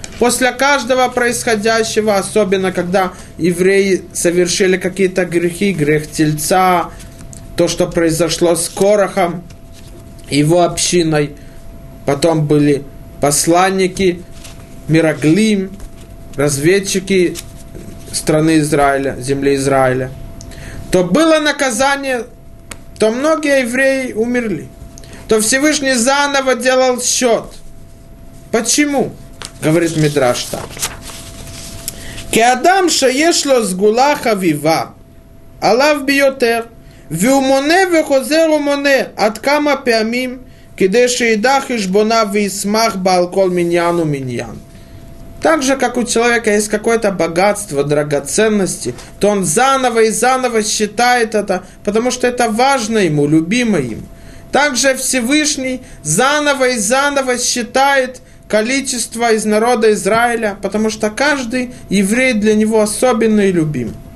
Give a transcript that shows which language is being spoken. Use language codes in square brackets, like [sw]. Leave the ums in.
[ru] После каждого происходящего, особенно когда евреи совершили какие-то грехи, грех тельца, то, что произошло с Корохом, его общиной, потом были посланники, Мираглим, разведчики страны Израиля, земли Израиля, то было наказание, то многие евреи умерли, то Всевышний заново делал счет. Почему? говорит Мидраш так. [he] Кеадам шаешло сгула хавива, алав биотер, והומונה וחוזר ומונה עד כמה פעמים כדי שידע חשבוניו וישמח בה על כל מניין ומניין. [ru] Так же, как у человека есть какое-то богатство, драгоценности, то он заново и заново считает это, потому что это важно ему, любимо им. Также Всевышний заново и заново считает количество из народа Израиля, потому что каждый еврей для него особенный и любим.